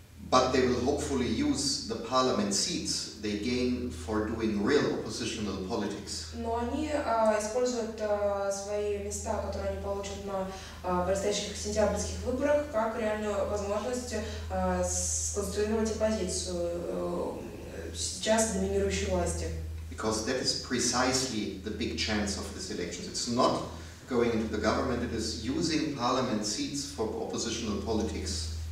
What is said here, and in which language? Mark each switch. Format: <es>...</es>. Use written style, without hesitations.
<en>But they will hopefully use the parliament seats they gain for doing real oppositional politics.</en> <ru>Но они используют свои места, которые они получат на предстоящих сентябрьских выборах, как реальную возможность сконструировать оппозицию сейчас доминирующей власти.</ru> <en>Because that is precisely the big chance of this election. It's not going into the government, it is using parliament seats for oppositional politics.</en>